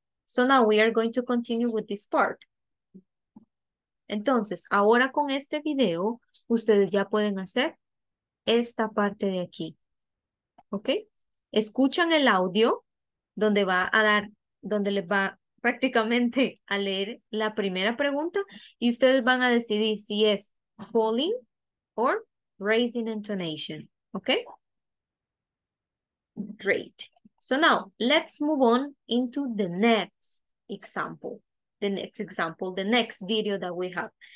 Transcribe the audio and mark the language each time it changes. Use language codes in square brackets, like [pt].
[en] So now we are going to continue with this part. [es] Entonces, ahora con este video, ustedes ya pueden hacer esta parte de aquí. ¿Ok? Escuchan el audio donde va a dar, donde les va prácticamente a leer la primera pregunta y ustedes van a decidir si es [en] falling or raising intonation. [es] ¿Ok? [en] Great. So now, let's move on into the next example. The next example, the next video that we have.